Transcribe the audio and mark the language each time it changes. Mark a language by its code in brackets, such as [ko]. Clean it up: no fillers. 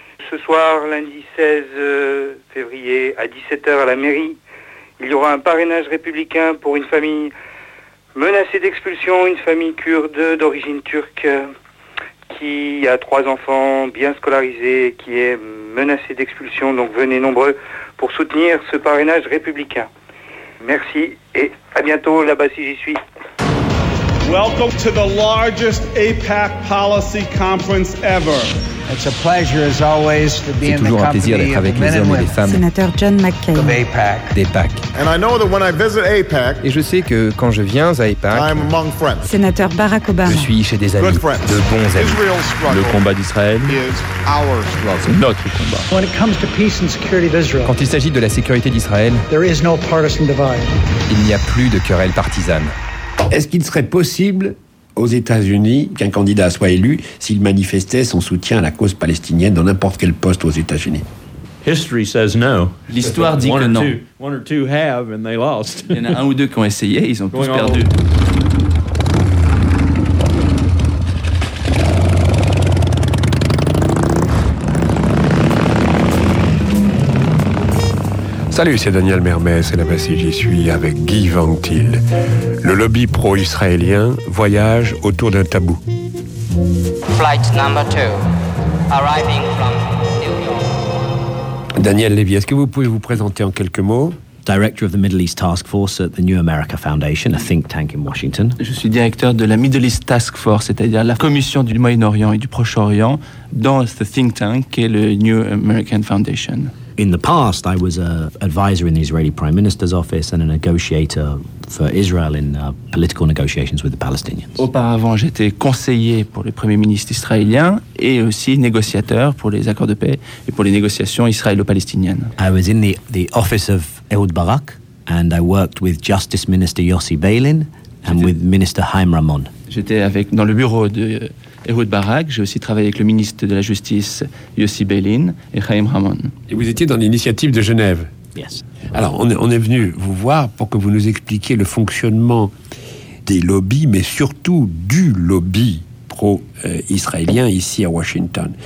[fr] Ce soir, lundi 16 février, à 17h à la mairie, il y aura un parrainage républicain pour une famille menacée d'expulsion, une famille kurde d'origine turque qui a 3 enfants bien scolarisés, qui est menacée d'expulsion. Donc venez nombreux pour soutenir ce parrainage républicain. Merci et à bientôt là-bas si j'y suis. [en] Welcome to the largest APAC policy conference ever. It's a pleasure as always to be [fr] c'est toujours [en] in the [fr] un plaisir d'être avec les hommes et les femmes. Sénateur John McCain. APAC. D'APAC. [en] And I know that when I visit APAC, [fr] et je sais que quand je viens à APAC, [en] I'm among friends. [fr] Sénateur Barack Obama. Je suis chez des amis, de bons amis. [en] Israel's struggle. [fr] Le combat d'Israël [en] is our struggle. [fr] C'est notre combat. [en] When it comes to peace and security of Israel, [fr] quand il s'agit de la sécurité d'Israël, [en] there is no partisan divide. [fr] Il n'y a plus de querelle partisane. Est-ce qu'il serait possible aux États-Unis qu'un candidat soit élu s'il manifestait son soutien à la cause palestinienne dans n'importe quel poste aux États-Unis? [en] History says no. [fr] L'histoire dit [en] one [fr] que non. [en] Two, one or two have and they lost. [fr] Il y en a un ou deux qui ont essayé, ils ont tous perdu. Salut, c'est Daniel Mermet, c'est la BASU, j'y suis avec Guy Van Til. Le lobby pro-israélien voyage autour d'un tabou. [en] Flight number 2, arriving from New York. [fr] Daniel Lévy, est-ce que vous pouvez vous présenter en quelques mots? [en] Director of the Middle East Task Force at the New America Foundation, a think tank in Washington. [fr] Je suis directeur de la Middle East Task Force, c'est-à-dire la commission du Moyen-Orient et du Proche-Orient, dans ce think tank qui est le New American Foundation. [en] In the past, I was an advisor in the Israeli Prime Minister's office and a negotiator for Israel in political negotiations with the Palestinians. [fr] Auparavant, j'étais conseiller pour le Premier ministre israélien et aussi négociateur pour les accords de paix et pour les négociations israélo-palestiniennes. [en] I was in the office of Ehud Barak and I worked with Justice Minister Yossi Beilin and with Minister Haim Ramon. [fr] J'étais avec dans le bureau de Ehud Barak, j'ai aussi travaillé avec le ministre de la Justice, Yossi Beilin, et Haim Ramon. Et vous étiez dans l'initiative de Genève. [en] Yes. [fr] Alors, on est venu vous voir pour que vous nous expliquiez le fonctionnement des lobbies, mais surtout du lobby pro-israélien ici à Washington.